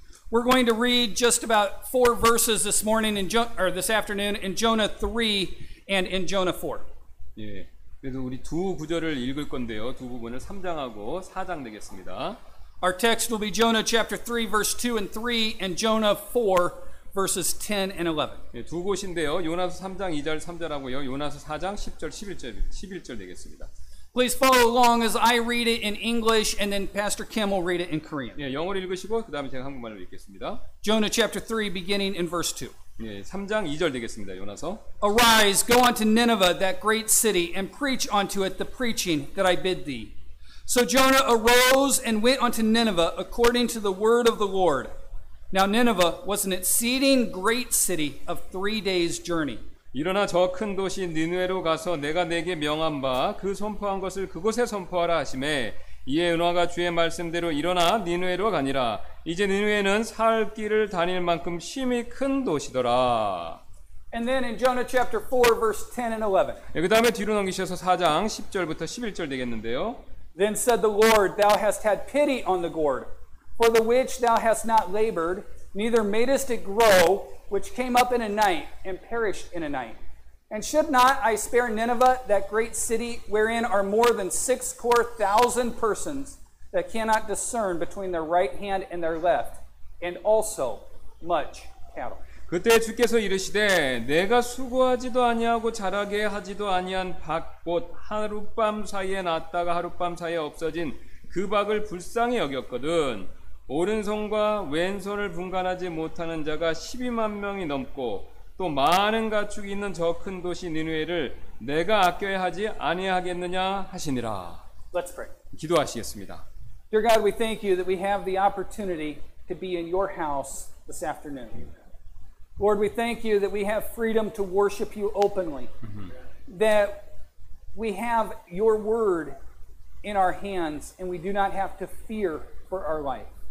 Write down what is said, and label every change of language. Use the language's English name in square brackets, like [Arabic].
[English] We're going to read just about four verses this morning in or this afternoon in Jonah 3 and in Jonah 4. [Korean] 예. 그래서 우리 두 구절을 읽을 건데요. 두 부분을 3장하고 4장 되겠습니다. [English] Our text will be Jonah chapter 3 verse 2 and 3 and Jonah 4 Verses 10 and 11. [Korean] 예, 두 곳인데요. 요나서 3장 2절 3절하고요. 요나서 4장 10절 11절 되겠습니다. [English] Please follow along as I read it in English and then Pastor Kim will read it in Korean. [Korean] 예, 영어로 읽으시고 그다음에 제가 한국말로 읽겠습니다. [English] Jonah chapter 3 beginning in verse 2. [Korean] 예, 3장 2절 되겠습니다. 요나서. [English] Arise, go unto Nineveh, that great city, and preach unto it the preaching that I bid thee. So Jonah arose and went unto Nineveh according to the word of the Lord. Now Nineveh was an exceeding great city of 3 days' journey. [Korean] 일어나 저 큰 도시 니느웨로 가서 내가 네게 명한 바 그 선포한 것을 그곳에 선포하라 하시매 이에 은화가 주의 말씀대로 일어나 니느웨로 가니라 이제 니느웨는 살 길을 다닐 만큼 심히 큰 도시더라. [English] And then in Jonah chapter 4 verse 10 and 11. [Korean] 예, 그다음에 뒤로 넘기셔서 4장 10절부터 11절 되겠는데요. [English] Then said the Lord, Thou hast had pity on the gourd. For the which thou hast not labored, neither madest it grow, which came up in a night and perished in a night. And should not I spare Nineveh, that great city, wherein are more than 64,000 persons that cannot discern between their right hand and their left, and also much cattle? [Korean] 그때 주께서 이르시되 내가 수고하지도 아니하고 자라게 하지도 아니한 밭 곧 하룻밤 사이에 났다가 하룻밤 사이에 없어진 그 밭을 불쌍히 여겼거든 오른손과 왼손을 분간하지 못하는 자가 12만 명이 넘고 또 많은 가축이 있는 저 큰 도시 니느웨를 내가 아껴야 하지 아니하겠느냐 하시니라. [English] Let's pray. [Korean] 기도하시겠습니다. [English] Dear God, we thank you that we have the opportunity to be in your house this afternoon. Lord, we thank you that we have freedom to worship you openly, that we have your word in our hands, and we do not have to fear for our life.